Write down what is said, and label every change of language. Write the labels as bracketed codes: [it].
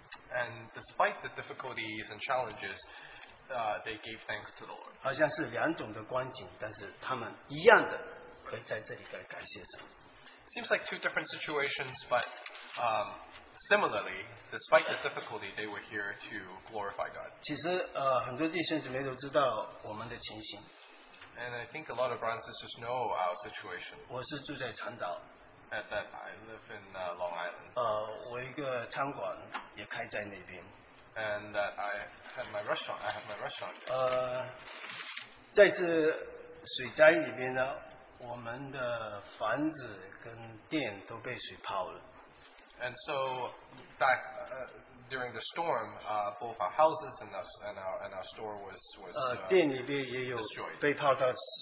[en] and despite the difficulties and challenges, they gave thanks to the Lord. [zh] 好像是两种的光景, 但是他们一样的, [en] seems like two different situations, but similarly, despite the difficulty, they were here to glorify God. [zh] 其实, 很多弟兄姊妹都知道我们的情形。 [en] And I think a lot of brothers and sisters know our situation. [zh] 我是住在长岛。 [en] At that, I live in Long Island. [zh] 我一个餐馆也开在那边。 [en] And I have my restaurant. [zh] 在这水灾里面呢, 我们的房子跟店都被水泡了。 [en] And so, back during the storm, both our houses and our store was destroyed.